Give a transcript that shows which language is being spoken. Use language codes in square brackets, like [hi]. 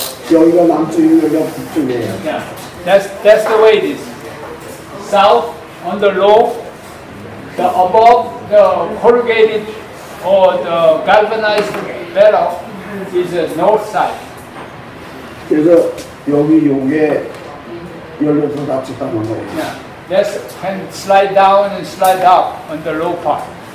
[ko] 여기가남쪽이고여기가북쪽이에요 [en] yeah. That's the way it is. South on the low, the above the corrugated or the galvanized barrel is the north side. [ko] 그래서여기요게열려서낮췄다는거예요 [en] yeah. That's can slide down and slide up on the low part.